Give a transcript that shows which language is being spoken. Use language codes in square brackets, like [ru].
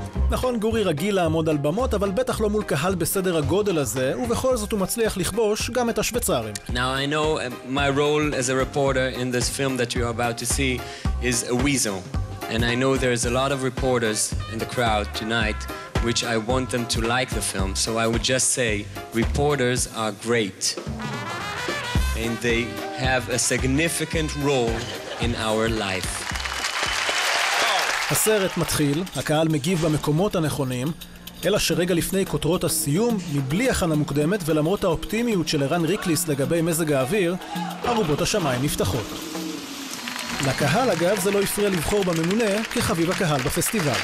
[he] נכון, גורי רגיל לעמוד על במות, אבל בטח לא מול קהל בסדר הגודל הזה, ובכל זאת הוא מצליח לכבוש גם את השוויצרים. [en] Now I know my role as a reporter in this film that you are about to see is a weasel. And I know there is a lot of reporters in the crowd tonight which I want them to like the film. So I would just say reporters are great. And they have a significant role in our life. [he] הסרט מתחיל, הקהל מגיב במקומות הנכונים, אלא שרגע לפני כותרות הסיום, מבלי הכנה מוקדמת ולמרות האופטימיות של ערן ריקליס לגבי מזג האוויר, ארובות השמיים נפתחות. לקהל, אגב, זה לא יפריע לבחור בממונה כחביב הקהל בפסטיבל.